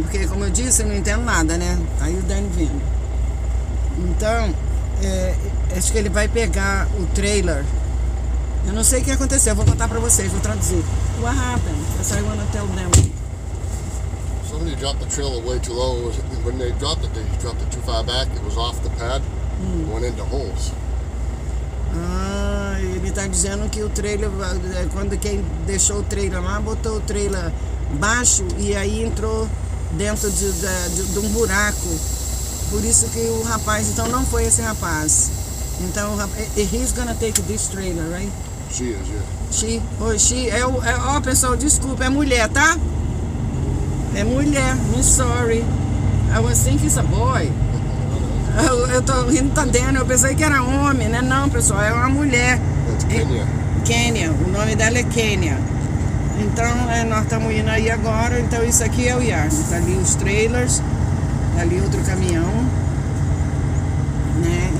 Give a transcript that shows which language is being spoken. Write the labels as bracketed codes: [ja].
[pt] Porque, como eu disse, eu não entendo nada, né? Aí o Daniel vindo. Então, acho que ele vai pegar o trailer. Eu não sei o que aconteceu. Eu vou contar pra vocês, vou traduzir. [en] What happened? That's what I want to tell them. Somebody dropped the trailer way too low. When they dropped it too far back. It was off the pad. Went into holes. [pt] Ah, ele tá dizendo que o trailer, quando quem deixou o trailer lá, botou o trailer baixo e aí entrou dentro de um buraco. Por isso que o rapaz, então não foi esse rapaz. [en] Então, he's gonna take this trailer, right? She is, yeah. [pt] Oh, pessoal, desculpa, é mulher, tá? É mulher, [en] I'm sorry. I was thinking it's a boy. [pt] Eu tô rindo da Daniel, eu pensei que era homem, né? Não, pessoal, é uma mulher. Kenya. O nome dela é Kenya. Então, nós estamos indo aí agora. Então, isso aqui é o yard. Tá ali os trailers. Tá ali outro caminhão. Né?